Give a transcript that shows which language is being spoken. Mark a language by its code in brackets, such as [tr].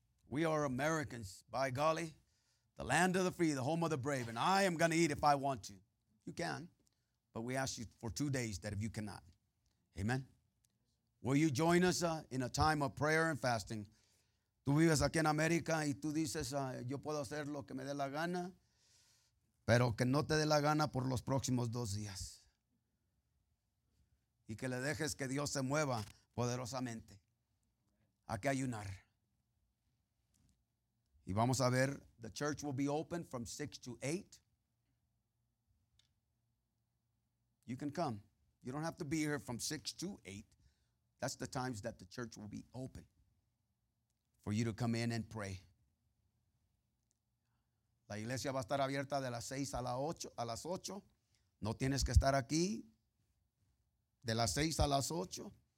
[en] We are Americans, by golly. The land of the free, the home of the brave. And I am going to eat if I want to. You can. But we ask you for 2 days that if you cannot. Amen. Will you join us in a time of prayer and fasting? [es] Tú vives aquí en América y tú dices, yo puedo hacer lo que me dé la gana, pero que no te dé la gana por los próximos 2 días. Y que le dejes que Dios se mueva poderosamente. Hay que ayunar. Y vamos a ver, [en] the church will be open from 6 to 8. You can come. You don't have to be here from 6 to 8. That's the times that the church will be open for you to come in and pray. [es] La iglesia va a estar abierta de las 6 a, la 8, a las 8. No tienes que estar aquí de las 6 a las 8.